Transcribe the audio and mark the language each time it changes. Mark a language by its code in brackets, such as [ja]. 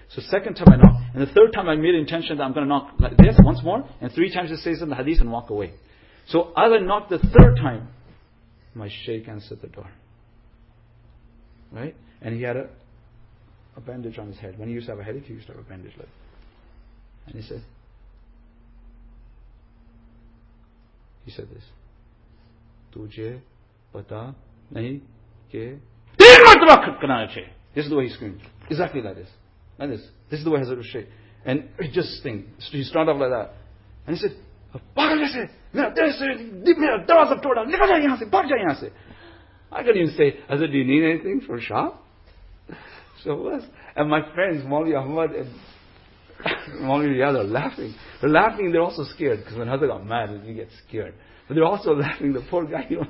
[en] So second time I knocked. And the third time I made intention that I'm going to knock like this once more. And three times it says in the hadith and walk away. So as I knocked the third time, my Sheikh answered the door. Right? And he had a bandage on his head. When he used to have a headache, he used to have a bandage like. And he said this, [ur] "تجھے پتا نہیں کہ تین مرتبہ کھٹکانا چاہیے۔" [en] This is the way he screamed. Exactly like this. Like this. This is the way Hazrat Rashid. And he just thing. So he started off like that. And he said, [ur] "پاگل کیسے؟ میرا دل میرا دروازہ توڑ رہا ہے۔ نکل جا یہاں سے۔ بھاگ جا یہاں سے۔" [en] I couldn't even say, "Hazrat, do you need anything for shop?" So it was. And my friends, Maulvi Ahmad and Maulvi Riyad, are laughing. They're laughing, they're also scared. Because when Hazrat got mad, he gets scared. But they're also laughing, the poor guy.